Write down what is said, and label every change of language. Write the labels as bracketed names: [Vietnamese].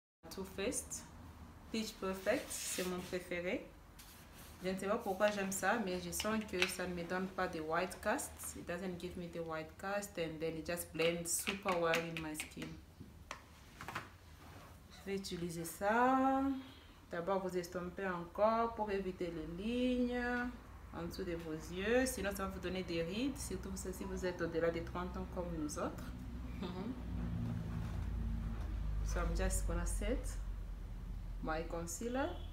[French] Too Faced Peach Perfect, c'est mon préféré. Je ne sais pas pourquoi j'aime ça, mais je sens que ça ne me donne pas de white cast. [English] It doesn't give me the white cast and then it just blends super well in my skin. [French] Je vais utiliser ça. D'abord, vous estompez encore pour éviter les lignes en dessous de vos yeux. Sinon, ça va vous donner des rides, surtout si vous êtes au-delà des 30 ans comme nous autres. [English] So I'm just gonna set my concealer.